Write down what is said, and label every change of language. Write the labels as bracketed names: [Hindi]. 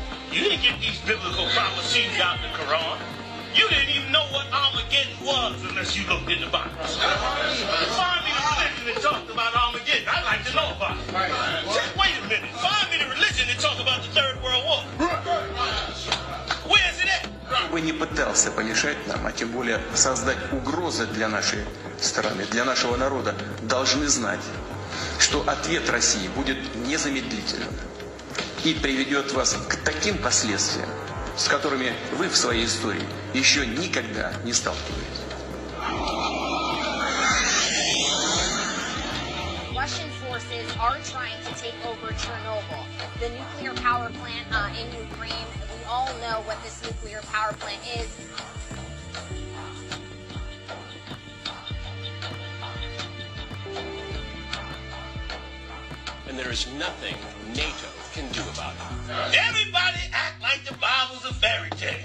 [English] You didn't get these biblical prophecies out of the Quran. You didn't even know what Armageddon was unless you looked in the Bible. Find me the religion that talked about Armageddon. I'd like to know about it. Just wait a minute. Find me the religion that talked about the Third World War. Where is it at? [Russian] Вы не пытался помешать нам, а тем более создать угрозы для нашей страны, для нашего народа, должны знать, что ответ России будет незамедлительным и приведет вас к таким последствиям, с которыми вы в своей истории еще никогда не сталкивались. [English] All know what this nuclear power plant is. And there is nothing NATO can do about it. Everybody act like the Bible's a fairy tale.